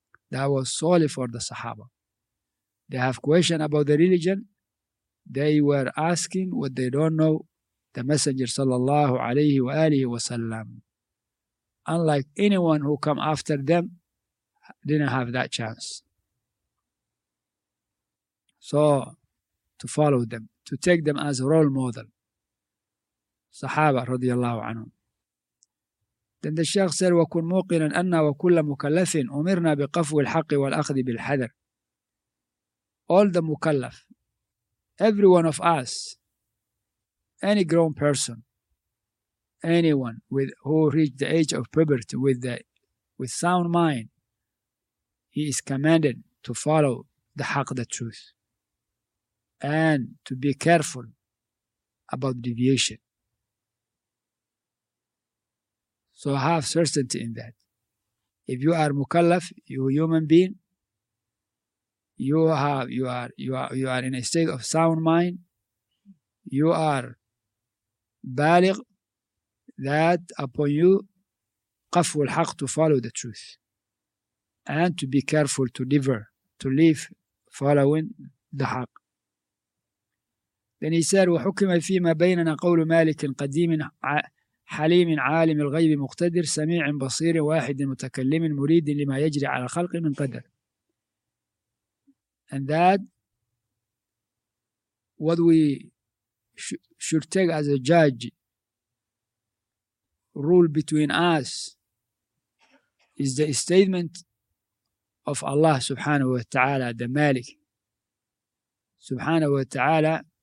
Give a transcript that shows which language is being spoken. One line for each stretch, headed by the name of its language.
English: That was solely for the Sahaba. They have question about the religion, they were asking what they don't know, the Messenger sallallahu alayhi wa alihi wa sallam. Unlike anyone who come after them, didn't have that chance. So, to follow them, to take them as a role model. Sahaba radiallahu anhu. Then the Shaykh said,
Arabic: وَكُنْ مُوقِنًا أَنَّا وَكُلَّ مُكَلَّفٍ أُمِرْنَا بِقَفْوِ الْحَقِّ وَالْأَخْذِ بِالْحَذَرِ.
English: All the mukallaf, every one of us, any grown person, anyone with who reached the age of puberty with sound mind, he is commanded to follow the haq, the truth, and to be careful about deviation. So have certainty in that. If you are mukallaf, you human being, you are in a state of sound mind, you are baligh, that upon you qafwul haq, to follow the truth and to be careful to deliver, to leave following the haq. Then he said,
Arabic: وحكم فيما بيننا قول مالك قديم حليم عالم الغيب مقتدر سميع بصير واحد متكلم مريد لما يجري على الخلق من قدر.
English: And that what we should take as a judge, rule between us, is the statement of Allah subhanahu wa ta'ala, the Malik subhanahu wa ta'ala,